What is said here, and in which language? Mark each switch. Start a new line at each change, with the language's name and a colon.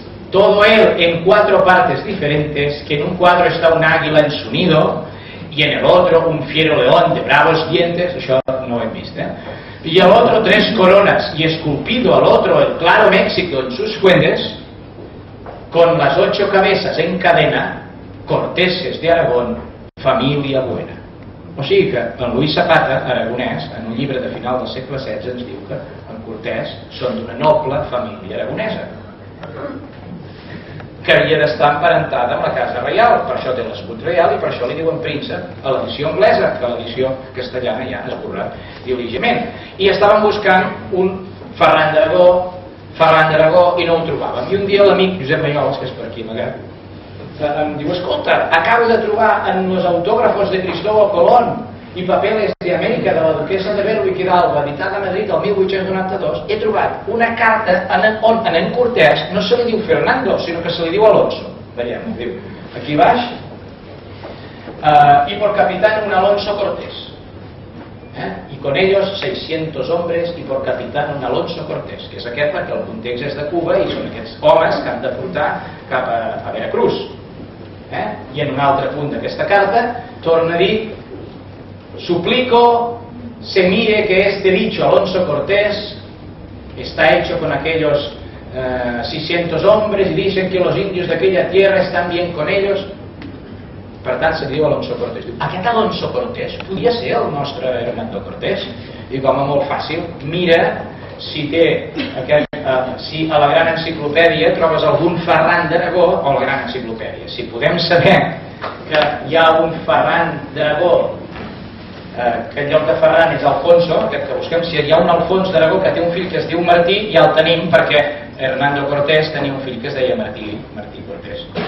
Spanish: todo él en cuatro partes diferentes, que en un cuadro está un águila en su nido y en el otro un fiero león de bravos dientes,
Catalan: això no ho hem vist,
Spanish: y al otro tres coronas y esculpido al otro el claro México en sus fuentes con las ocho cabezas en cadena, Corteses de Aragón, familia buena.
Catalan: O sigui que en Luis Zapata, aragonès, en un llibre de final del segle XVI, ens diu que en Cortés són d'una noble família aragonesa, que havia d'estar emparentada amb la casa reial, per això té l'escut reial i per això li diuen príncep a l'edició anglesa, que l'edició castellana ja es borra diligentment. I estàvem buscant un Ferran d'Aragó, i no ho trobàvem. I un dia l'amic Josep Maiols, que és per aquí, m'agrada, em diu, escolta, acabo de trobar en els autògrafos de Cristóbal Colón i papeles d'Amèrica de la duquesa de Berwick i d'Alba, editada a Madrid el 1892, he trobat una carta on a en Cortés no se li diu Fernando, sinó que se li diu Alonso. Veiem, diu, aquí baix, i
Spanish: por capitán un
Catalan: Alonso Cortés. I
Spanish: con ellos 600 hombres i por capitán un
Catalan: Alonso Cortés, que és aquest perquè el context és de Cuba i són aquests homes que han de portar cap a Veracruz. I en un altre punt d'aquesta carta torna a dir,
Spanish: suplico se mire que este dicho Alonso Cortés está hecho con aquellos 600 hombres y dicen que los indios de aquella tierra están bien con ellos.
Catalan: Per tant, se diu Alonso Cortés. Aquest Alonso Cortés podia ser el nostre Hernando Cortés? Diu, home, molt fàcil, mira si té aquest si a la gran enciclopèdia trobes algun Ferran d'Aragó o la gran enciclopèdia. Si podem saber que hi ha un Ferran d'Aragó, que en lloc de Ferran és Alfonso, aquest que busquem, si hi ha un Alfons d'Aragó que té un fill que es diu Martí, ja el tenim, perquè Hernando Cortés tenia un fill que es deia Martí, Martí Cortés.